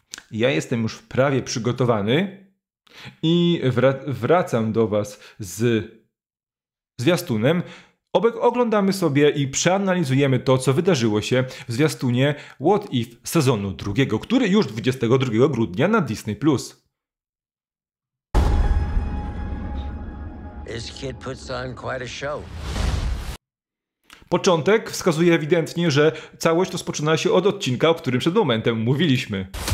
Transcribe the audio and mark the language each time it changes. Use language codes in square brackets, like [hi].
[pl] Ja jestem już prawie przygotowany i wracam do Was z zwiastunem. Oglądamy sobie i przeanalizujemy to, co wydarzyło się w zwiastunie What If sezonu drugiego, który już 22 grudnia na Disney+. [en] This kid puts on quite a show. [pl] Początek wskazuje ewidentnie, że całość rozpoczyna się od odcinka, o którym przed momentem mówiliśmy.